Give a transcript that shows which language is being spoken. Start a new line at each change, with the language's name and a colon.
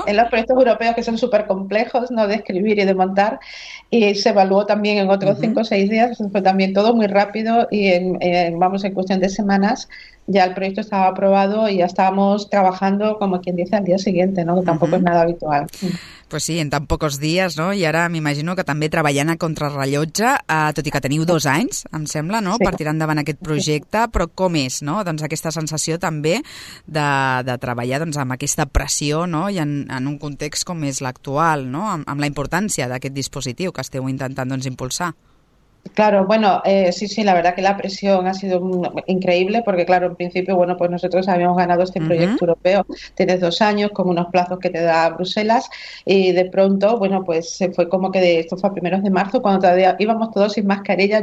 Spanish: En los proyectos europeos, que son súper complejos, ¿no?, de escribir y de montar, y se evaluó también en otros 5 o 6 días. Eso fue también todo muy rápido, y en cuestión de semanas ya el proyecto estaba aprobado y ya estábamos trabajando, como quien dice, al día siguiente, ¿no? Que tampoco es nada habitual. Pues sí, en tan pocos dies, no?
Catalan: I ara m'imagino que també treballant a contrarrellotge, tot i que teniu 2 anys, em sembla, no? Sí. Per tirar endavant aquest projecte, però com és, no? Doncs aquesta sensació també de treballar, doncs, amb aquesta pressió, no? I en un context com és l'actual, no? Amb la importància d'aquest dispositiu que esteu intentant, doncs, impulsar.
Spanish: Claro, bueno, sí, la verdad que la presión ha sido increíble, porque claro, en principio, bueno, pues nosotros habíamos ganado este proyecto europeo, tienes 2 años con unos plazos que te da Bruselas, y de pronto, bueno, pues se fue como que esto fue a primeros de marzo, cuando todavía íbamos todos sin mascarilla.